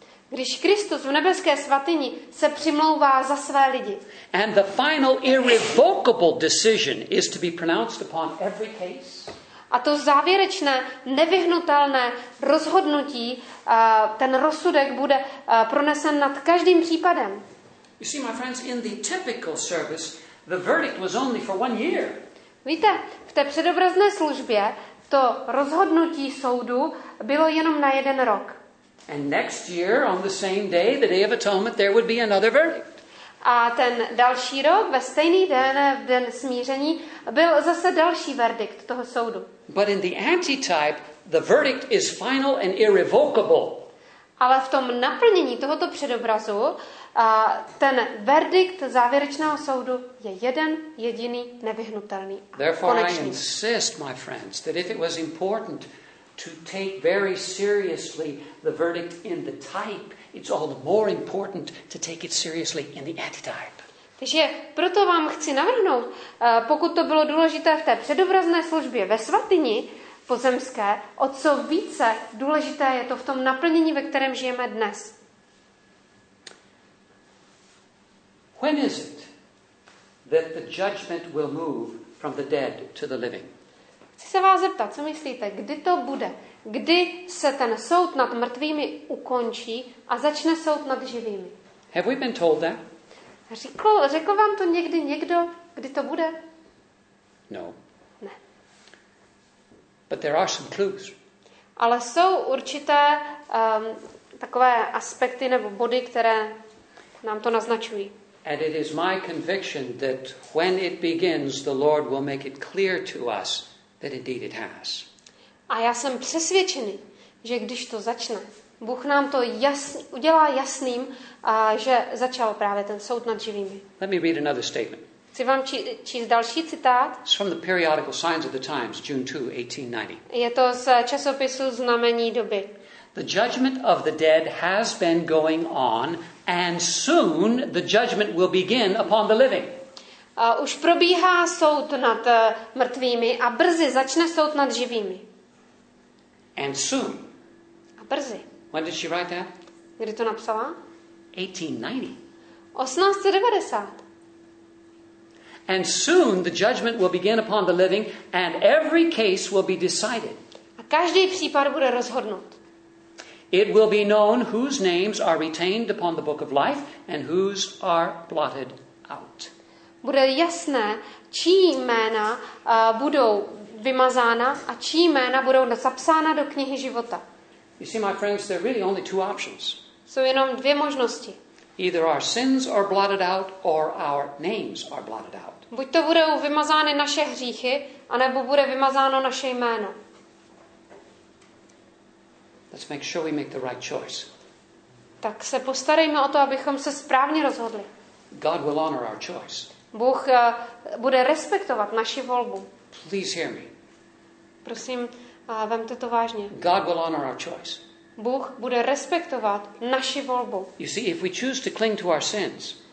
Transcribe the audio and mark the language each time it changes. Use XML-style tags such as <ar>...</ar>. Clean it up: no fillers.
<cs>Když Kristus v nebeské svatyni se přimlouvá za své lidi.</cs> <en>And the final irrevocable decision is to be pronounced upon every case?</en> <cs>A to závěrečné, nevyhnutelné rozhodnutí, ten rozsudek bude pronesen nad každým případem.</cs> <en>You see, my friends, in the typical service, the verdict was only for one year.</en> <cs>Víte, v té předobrazné službě to rozhodnutí soudu bylo jenom na jeden rok.</cs> <en>And next year, on the same day, the Day of Atonement, there would be another verdict.</en> <cs>A ten další rok, ve stejný den, v den smíření, byl zase další verdikt toho soudu.</cs> <en>But in the antitype, the verdict is final and irrevocable.</en> <cs>Ale v tom naplnění tohoto předobrazu, ten verdikt závěrečného soudu je jeden, jediný, nevyhnutelný a</cs> <en>therefore</en> <cs>konečný.</cs> <en>I insist, my friends, that if it was important to take very seriously the verdict in the type, it's all the more important to take it seriously in the antitype.</en> <cs>Takže proto vám chci navrhnout, pokud to bylo důležité v té předobrazné službě ve svatyni pozemské, o co více důležité je to v tom naplnění, ve kterém žijeme dnes.</cs> <en>When is it that the judgment will move from the dead to the living?</en> <cs>Chci se vás zeptat, co myslíte, kdy to bude? Kdy se ten soud nad mrtvými ukončí a začne soud nad živými?</cs> <en>Have we been told that?</en> <cs>Řekl vám to někdy někdo, kdy to bude?</cs> <en>No.</en> <cs>Ne.</cs> <en>But there are some clues.</en> <cs>Ale jsou určité takové aspekty nebo body, které nám to naznačují.</cs> <en>And it is my conviction that when it begins, the Lord will make it clear to us that indeed it has.</en> <cs>A já jsem přesvědčený, že když to začne, Bůh nám to udělá jasným, a že začal právě ten soud nad živými.</cs> <en>Let me read another statement.</en> <cs>Chci vám číst další citát.</cs> <en>It's from the periodical Signs of the Times, June 2, 1890.</en> <cs>Je to z časopisu Znamení doby.</cs> <en>The judgment of the dead has been going on and soon the judgment will begin upon the living.</en> <cs>Už probíhá soud nad mrtvými a brzy začne soud nad živými.</cs> <en>And soon.</en> <cs>A brzy.</cs> <en>When did she write that?</en> <cs>Kdy to napsala?</cs> <en>1890.</en> <cs>1890.</cs> <en>And soon the judgment will begin upon the living and every case will be decided.</en> <cs>A každý případ bude rozhodnut.</cs> <en>It will be known whose names are retained upon the book of life and whose are blotted out.</en> <cs>Bude jasné, čí jména budou vymazána a čí jména budou zapsána do knihy života.</cs> <en>You see, my friends, there are really only two options.</en> <cs>Jsou jenom dvě možnosti.</cs> <en>Either our sins are blotted out or our names are blotted out.</en> <cs>Buď to budou vymazány naše hříchy, anebo bude vymazáno naše jméno.</cs> <en>Let's make sure we make the right choice.</en> <cs>Tak se postarejme o to, abychom se správně rozhodli.</cs> <en>God will honor our choice.</en> <cs>Bůh bude respektovat naši volbu.</cs> <en>Please hear me.</en> <cs>Prosím, vemte to vážně.</cs> <en>God will honor our choice.</en> <cs>Bůh bude respektovat naši volbu.</cs> <en>You see, if we choose to cling to our sins.</en>